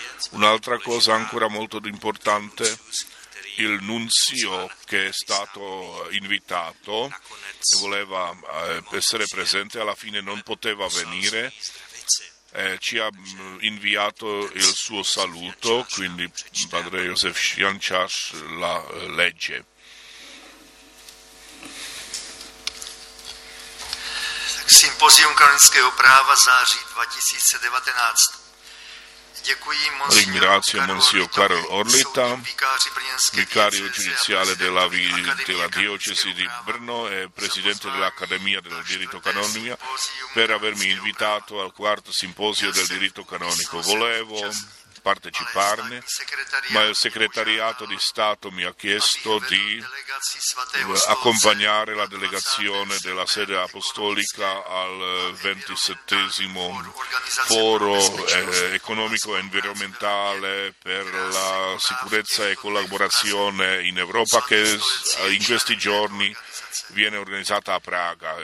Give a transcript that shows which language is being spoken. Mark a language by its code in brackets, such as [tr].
[it] Un'altra cosa ancora molto importante, il nunzio che è stato invitato, che voleva essere presente, alla fine non poteva venire, ci ha inviato il suo saluto, quindi padre Josef Šiančář la legge. [cs] Sympozium kanonického práva září 2019. Děkuji monsignoru [it] Ringrazio monsignor Karol Orlita, vicario giudiziale della diocesi di Brno e presidente dell'Accademia del diritto canonico, per avermi invitato al quarto simposio del diritto canonico. Volevo parteciparne, ma il segretariato di Stato mi ha chiesto di accompagnare la delegazione della sede apostolica al 27° foro economico e environmentale per la sicurezza e collaborazione in Europa che in questi giorni viene organizzata a Praga.